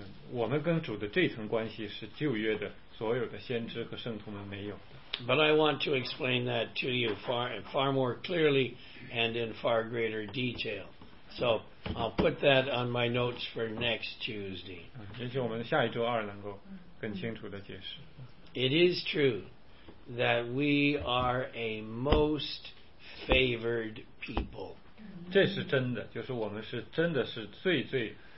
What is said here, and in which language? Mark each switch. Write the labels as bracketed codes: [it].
[zh] 我们跟主的这层关系是旧约的所有的先知和圣徒们没有的。 [en] But I want to explain that to you far more clearly and in far greater detail. So I'll put that on my notes for next Tuesday. [zh] 也许我们下一周二能够更清楚地解释。 [en] It is true that we are a most favored people. [zh] 这是真的，就是我们是真的是最最。